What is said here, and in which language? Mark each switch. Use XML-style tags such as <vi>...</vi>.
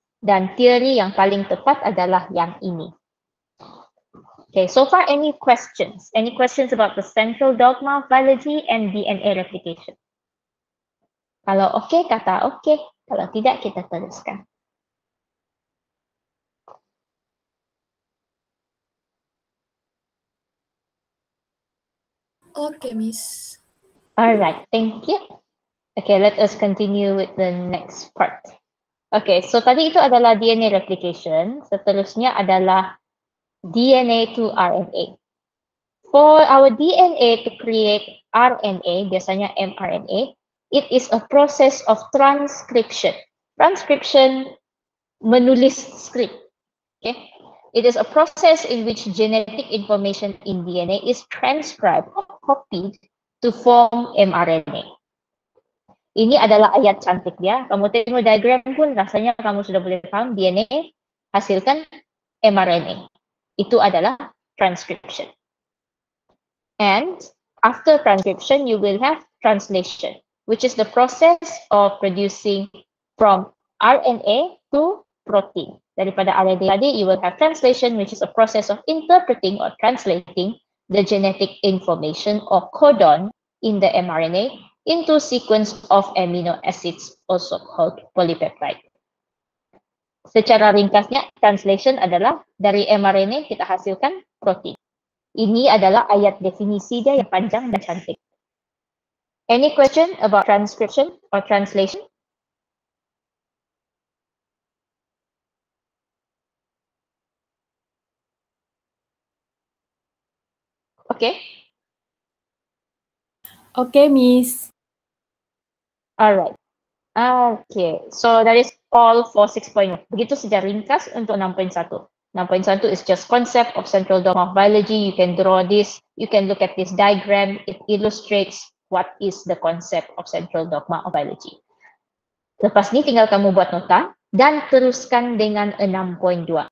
<ms>Dan teori yang paling tepat adalah yang ini.</ms> <en>Okay, so far any questions? Any questions about the central dogma of biology and DNA replication?</en> <ms>Kalau okay, kata okay. Kalau tidak, kita teruskan.</ms> <en>Okay, Miss. Alright, thank you. Okay, let us continue with the next part.</en> <ms>Okay, so tadi itu adalah DNA replication. Seterusnya adalah DNA to RNA.</ms> <en>For our DNA to create RNA, biasanya mRNA, it is a process of transcription. Transcription,</en> <ms>menulis script.</ms> <en>Okay, it is a process in which genetic information in DNA is transcribed, copied to form mRNA.</en> <ms>Ini adalah ayat cantik ya. Kamu tengok diagram pun rasanya kamu sudah boleh paham DNA hasilkan mRNA. Itu adalah transcription.</ms> <en>And after transcription, you will have translation, which is the process of producing from RNA to protein.</en> <ms>Daripada RNA tadi,</ms> <en>you will have translation, which is a process of interpreting or translating the genetic information or codon in the mRNA into sequence of amino acids, also called polypeptide.</en> <ms>Secara ringkasnya, translation adalah dari mRNA kita hasilkan protein. Ini adalah ayat definisi dia yang panjang dan cantik.</ms> <en>Any question about transcription or translation? Okay. Okay, Miss. Alright. Okay. So that is all for 6.1.</en> <ms>Begitu saja ringkas untuk 6.1.</ms> <en>6.1 is just concept of central dogma of biology. You can draw this. You can look at this diagram. It illustrates what is the concept of central dogma of biology.</en> <ms>Lepas ni tinggal kamu buat nota dan teruskan dengan 6.2.</ms>